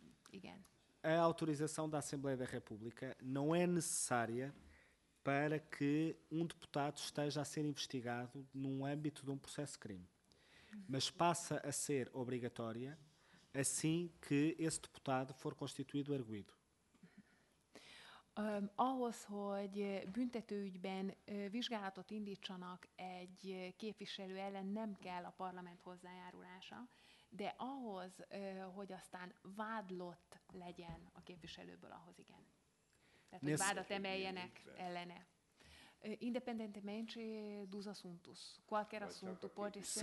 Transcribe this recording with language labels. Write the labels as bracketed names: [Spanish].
[Hungarian] Igen. [Portuguese] A autorização da Assembleia da República não é necessária para que um deputado esteja a ser investigado num âmbito de um processo de crime. Mas passa a ser obrigatória assim que esse deputado for constituído arguido. [Hungarian] Ahhoz, hogy büntetőügyben vizsgálatot indítsanak egy képviselő ellen, nem kell a parlament hozzájárulása, de ahhoz, hogy aztán vádlott legyen a képviselőből, ahhoz igen. Tehát, hogy vádat emeljenek ellene. [Portuguese] Independentemente dos assuntos, qualquer assunto pode ser...